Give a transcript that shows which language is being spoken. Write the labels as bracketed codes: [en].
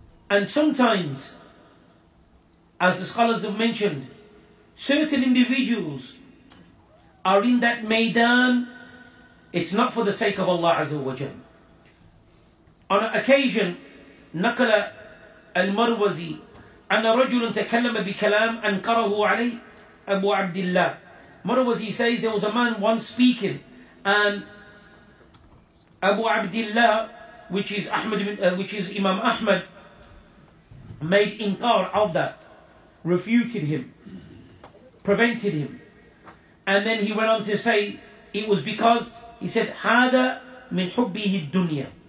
[en] And sometimes, as the scholars have mentioned, certain individuals are in that maidan, it's not for the sake of Allah Azza wa Jalla. On occasion, نقل المروزي [ar] أن رجل تكلم بكلام أنكره عليه أبو عبد الله. [en] What was he saying? There was a man once speaking, and Abu Abdullah, which is Ahmed, which is Imam Ahmed, made inkar of that, refuted him, prevented him. And then he went on to say, it was because, he said, [ar] هذا من حبه الدنيا.